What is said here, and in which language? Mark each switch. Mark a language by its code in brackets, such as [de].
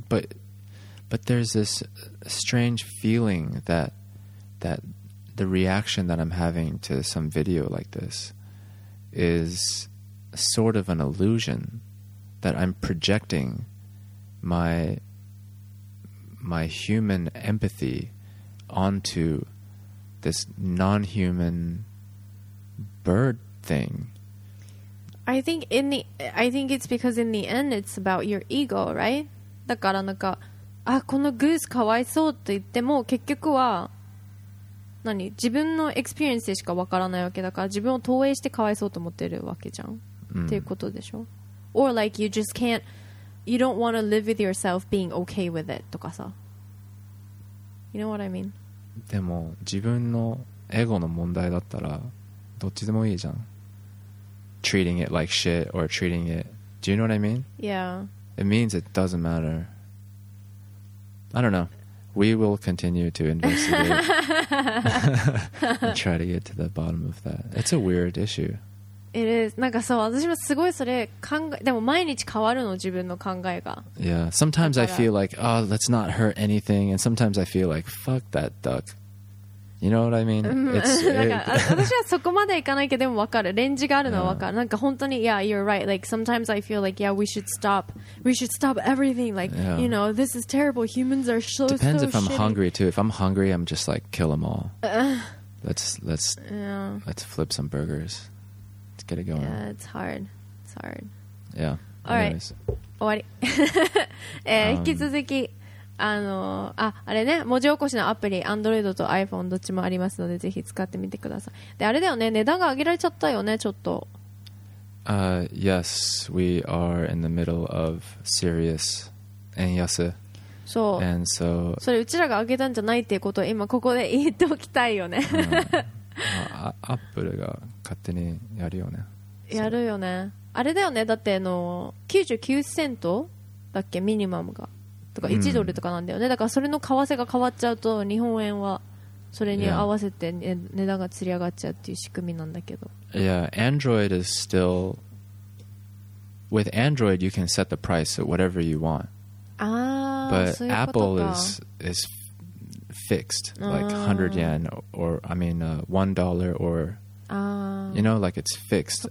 [en] But there's this strange feeling that the reaction that I'm having to some video like this is sort of an illusion that I'm projecting my human empathy onto this non-human bird thing. I think it's because in the end it's about your ego, right? [ja] だからなんか、あ、このグースかわいそうって言っても結局は何？自分のエクスペリエンスでしかわからないわけだから自分を投影してかわいそうと思ってるわけじゃん。っていうことでしょ？ [en] Or like you just can't, you don't want to live with yourself being okay with it [ja] とかさ。 [en] You know what I mean? [ja] でも自分のエゴの問題だったらどっちでもいいじゃん。 [en] Treating it like shit or treating it. Do you know what I mean? Yeah. It means it doesn't matter. I don't know. We will continue to investigate and try to get to the bottom of that. It's a weird issue. It is. [ja] なんかそう、私もすごいそれ考え、でも毎日変わるの、自分の考えが。 [en] Yeah, sometimes I feel like, oh, let's not hurt anything, and sometimes I feel like, fuck that duck. You know what I mean? [ja] It's, 私はそこまでいかないけど、でもわかる。レンジがあるのはわかる。なんか本当に、 [en] yeah, you're right. Like, sometimes I feel like, yeah, we should stop. We should stop everything. Like, you know, this is terrible. Humans are so shitty. Depends so if I'm hungry, too. If I'm hungry, I'm just like, kill them all. Let's flip some burgers. Get it going. Yeah, it's hard. Yeah. [ja] Alright. 終わり。引き続き、あれね、文字起こしのアプリ、Android と iPhone どっちもありますので、ぜひ使ってみてください。で、あれだよね、値段が上げられちゃったよね、ちょっと。 [en] Yes, we are in the middle of serious 円安。 [ja] そう。 [en] And so, [ja] それ、うちらが上げたんじゃないっていうことを今ここで言っておきたいよね。アップルが勝手にやるよね。やるよね。あれだよね。だって99セントだっけ、ミニマムが。とか1ドルとかなんだよね、うん、だからそれの為替が変わっちゃうと日本円はそれに合わせて、ね、値段がつり上がっちゃうっていう仕組みなんだけど [en] Yeah, Android is still With Android you can set the price at whatever you want But Apple is fixed Like 100 yen or I mean $1 or You know like it's fixed